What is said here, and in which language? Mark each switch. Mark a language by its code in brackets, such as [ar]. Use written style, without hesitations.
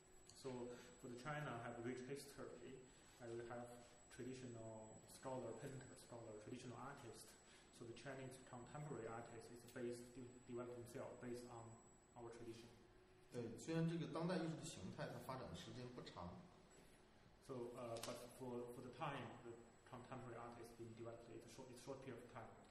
[en] So for the China have rich history, and we have traditional scholar, painter, scholar, traditional artist. So the Chinese contemporary artist is based develop himself based on our tradition. [zh] 对，虽然这个当代艺术的形态它发展的时间不长。 [en] So, but for the time the contemporary artist been developed, it's a short period of time.